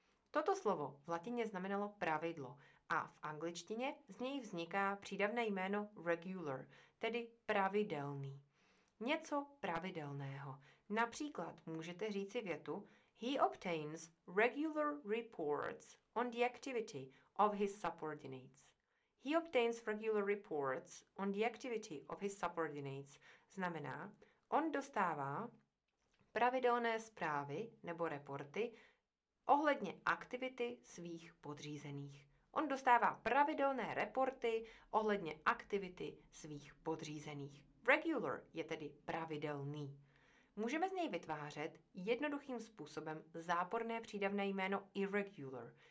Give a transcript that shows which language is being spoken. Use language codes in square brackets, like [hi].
[cs] Toto slovo v latině znamenalo pravidlo a v angličtině z něj vzniká přídavné jméno regular, tedy pravidelný. Něco pravidelného. Například můžete říci větu: [en] He obtains regular reports on the activity of his subordinates. He obtains regular reports on the activity of his subordinates. [cs] Znamená, on dostává pravidelné zprávy nebo reporty ohledně aktivity svých podřízených. On dostává pravidelné reporty ohledně aktivity svých podřízených. Regular je tedy pravidelný. Můžeme z něj vytvářet jednoduchým způsobem záporné přídavné jméno irregular.